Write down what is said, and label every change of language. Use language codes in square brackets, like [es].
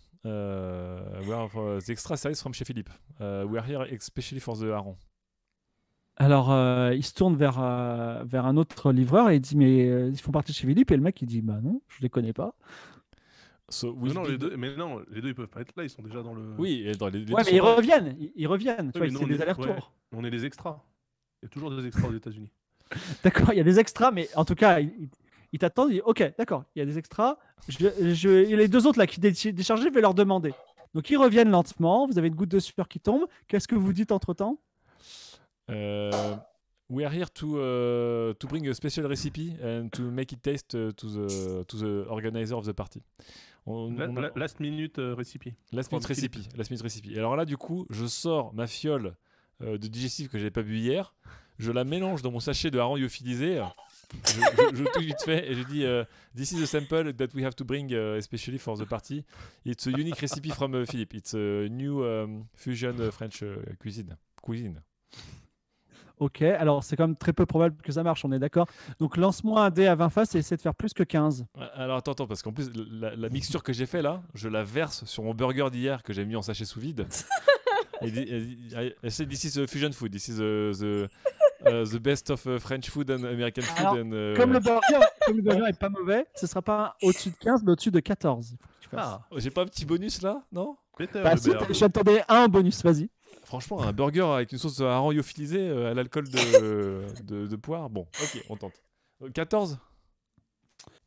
[en] We are from the extra service from chez Philippe. We are here especially for the Aaron. [fr] Alors, il se tourne vers un autre livreur et il dit, mais ils font partie de chez Philippe. Et le mec, il dit, bah non, je les connais pas. [en] So, [fr] les deux, ils peuvent pas être là, ils sont déjà dans le... Oui, dans les ouais, mais ils reviennent, tu vois, c'est des allers-retours. Ouais, on est des extras, il y a toujours des extras aux États-Unis. D'accord, il y a des extras, mais en tout cas, ils t'attendent, ils disent, ok, d'accord, il y a des extras. Les deux autres là qui déchargent, je vais leur demander. Donc, ils reviennent lentement, vous avez une goutte de sueur qui tombe. Qu'est-ce que vous dites entre-temps? [en] We are here to bring a special recipe and to make it taste to the organizer of the party. Last minute recipe. Last minute recipe. [fr] Et alors là, du coup, je sors ma fiole de digestif que j'avais pas bu hier. Je la mélange dans mon sachet de hareng lyophilisé. Je touche vite fait et je dis [en] this is a sample that we have to bring especially for the party. It's a unique recipe from Philippe. It's a new fusion French cuisine. [fr] Ok, alors c'est quand même très peu probable que ça marche, on est d'accord. Donc lance-moi un dé à 20 faces et essaie de faire plus que 15. Alors attends, parce qu'en plus, la mixture que j'ai fait là, je la verse sur mon burger d'hier que j'ai mis en sachet sous vide. [en] Et this is fusion food, this is the best of French food and American food. [fr] Alors, comme le burger n'est pas mauvais, ce ne sera pas au-dessus de 15, mais au-dessus de 14. Ah, j'ai pas un petit bonus là, non ? J'attendais un bonus, vas-y. Franchement, un burger avec une sauce hareng lyophilisée à l'alcool de poire. Bon, ok, on tente. 14 ?